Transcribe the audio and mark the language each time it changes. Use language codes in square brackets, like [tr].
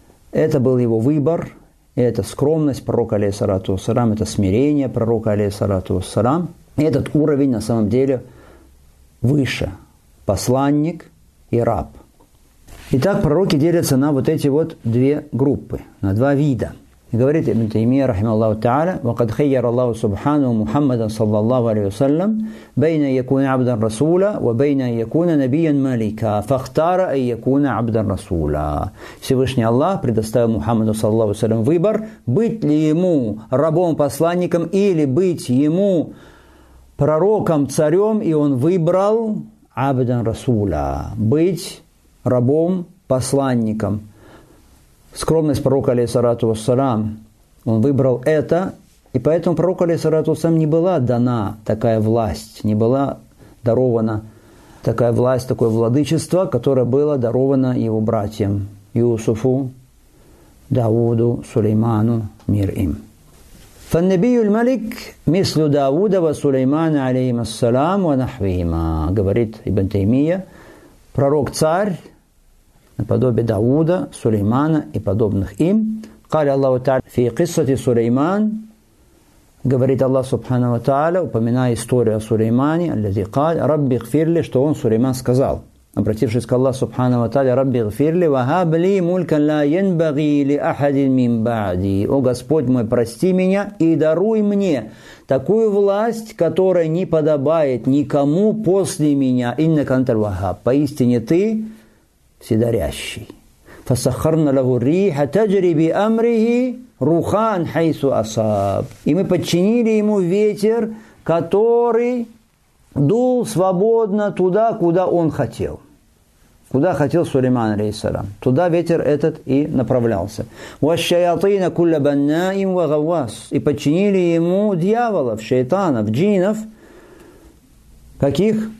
[ru] Это был его выбор. И это скромность пророка, алейхиссалату вассалям, это смирение пророка, алейхиссалату вассалям. И этот уровень на самом деле выше. Посланник и раб. Итак, пророки делятся на вот эти вот две группы, на два вида. говорит Ибн Таймия, рахималлаху та'аля, [ar] وقد خير الله سبحانه محمدا صلى الله عليه وسلم بين أن يكون عبدا رسولا وبين أن يكون نبيا ملكا فاختار أن يكون عبدا رسولا. [ru] Всевышний Аллах предоставил Мухаммаду [ar] صلى الله عليه وسلم [ru] выбор, быть ли ему рабом-посланником или быть ему пророком-царем, и он выбрал абдан расула, быть рабом-посланником. Скромность пророка, алейхиссалату вассалям, он выбрал это, и поэтому пророку, алейхиссалату вассалям, не была дана такая власть, не была дарована такая власть, такое владычество, которое было даровано его братьям Юсуфу, Дауду, Сулейману, мир им. [ar] فالنبي الملك مثل داود وسليمان عليهما السلام ونحوهما. [ru] Говорит Ибн Таймия, пророк царь наподобие Дауда, Сулеймана и подобных им. [ar] قال الله تعالى في قصة سليمان. [ru] Говорит Аллах [ar] سبحانه وتعالى, [ru] упоминая историю о Сулеймане, [ar] الذي قال ربي اغفر لي, [ru] что он Сулейман сказал, обратившись к Аллаху [ar] سبحانه وتعالى, ربي اغفر لي وهب لي ملكا لا ينبغي لأحد من بعدي. [ru] О Господь мой, прости меня и даруй мне такую власть, которая не подобает никому после меня. [ar] Инна кантал вахаб. [ru] Поистине ты вседарящий. [ar] فسخرنا له الريح تجري بأمره رخان حيث أصاب. [ru] И мы подчинили ему ветер, который дул свободно туда, куда он хотел. Куда хотел Сулейман, алейхиссалям. Туда ветер этот и направлялся. [ar] وَالشَّيَاطِينَ كُلَّ بَنَّاءٍ وَغَوَّاصٍ. [ru] И подчинили ему дьяволов, шайтанов, джинов. Каких?